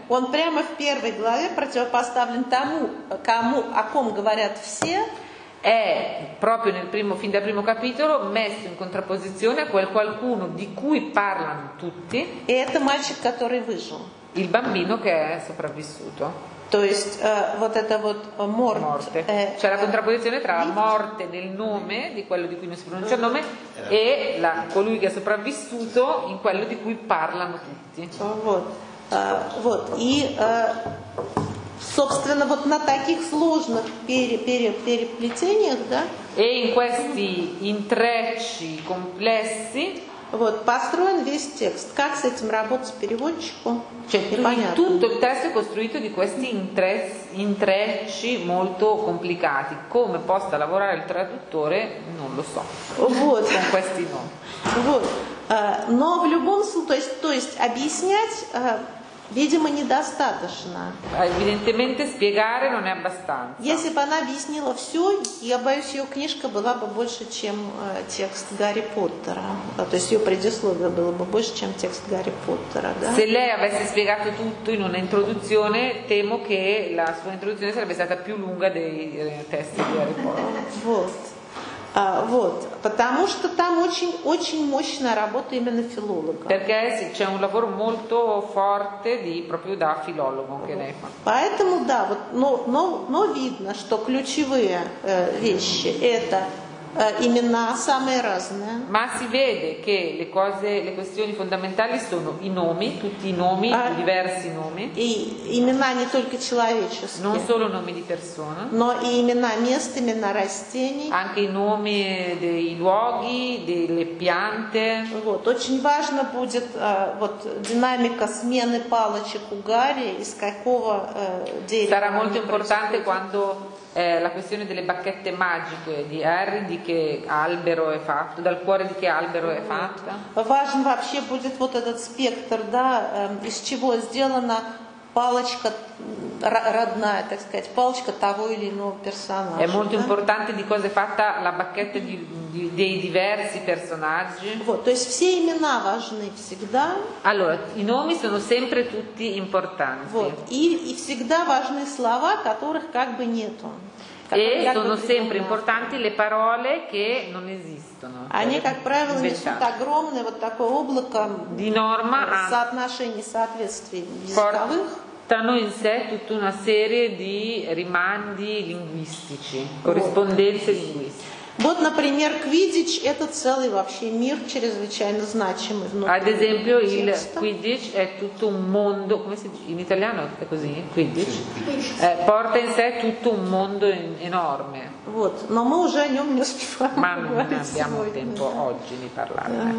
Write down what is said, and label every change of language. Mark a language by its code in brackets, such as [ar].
[ru] Он прямо в первой главе противопоставлен тому, кому, о ком говорят все. [it] È proprio nel primo, fin dal primo capitolo, messo in contrapposizione a quel qualcuno di cui parlano tutti. [ru] E это мальчик, который выжил. [it] Il bambino che è sopravvissuto. [ru] То есть вот это вот morte. [it] C'è la contrapposizione tra la morte nel nome di quello di cui non si pronuncia il nome e la colui che è sopravvissuto in quello di cui parlano tutti. [ru] Вот. Вот. И собственно вот на таких сложных переплетениях, да? [it] E in questi intrecci complessi [ru] вот, построен весь текст. Как с этим работать переводчику? [it] Tutto il testo è costruito di questi intrecci molto complicati. Come possa lavorare il traduttore, non lo so. [ru] Вот. [it] Con questi no. [ru] Вот. Но в любом случае, то есть объяснять Видимо, недостаточно. [it] Evidentemente spiegare non è abbastanza. [ru] Если бы она объяснила все, я боюсь, ее книжка была бы больше, чем текст Гарри Поттера. То есть ее предисловие было бы больше, чем текст Гарри Поттера, да? [it] Se lei avesse spiegato tutto in una introduzione, temo che la sua introduzione sarebbe stata più lunga dei testi di Harry Potter. [ru] Вот, потому что там очень-очень мощная работа именно филолога. [it] Perché c'è un lavoro molto forte di proprio da filologo che lei fa. [ru] Поэтому да, вот, но видно, что ключевые вещи это имена самые разные. [it] Ma si vede che le cose, le questioni fondamentali sono i nomi, tutti i nomi, diversi nomi. [ru] И имена не только человеческие. [it] Non solo nomi di persona. [ru] Но и имена мест, имена растений. [it] Anche i nomi dei luoghi, delle piante. [ru] Вот, очень важно будет вот динамика смены палочек у Гарри, из какого дерева. [it] Sarà molto importante quando la questione delle bacchette magiche di Harry, di che albero è fatto, dal cuore di che albero è fatta. [ru] Важно вообще будет вот этот спектр, да, из чего сделана палочка родная, так сказать, палочка того или иного персонажа. [it] È molto importante di cosa è fatta la bacchetta dei diversi personaggi. [ru] Вот, то есть все имена важны всегда. [it] Allora, i nomi sono sempre tutti importanti. [ru] Вот, и всегда важны слова, которых как бы нету. [it] E sono sempre importanti le parole che non esistono. [ru] Они, как правило, несут огромное вот такое облако [it] di norma [ru] соотношений, соответствий языковых. [it] Portano in sé tutta una serie di rimandi linguistici, corrispondenze linguistiche. [ru] Вот, например, квиддич – это целый вообще мир, чрезвычайно значимый внутри текста. [it] Ad esempio, il quiddich è tutto un mondo, come si dice? In italiano è così, quiddich? Porta in sé tutto un mondo enorme. [ru] Вот, но мы уже о нем не успеваем. [it] Ma non abbiamo tempo oggi di parlare.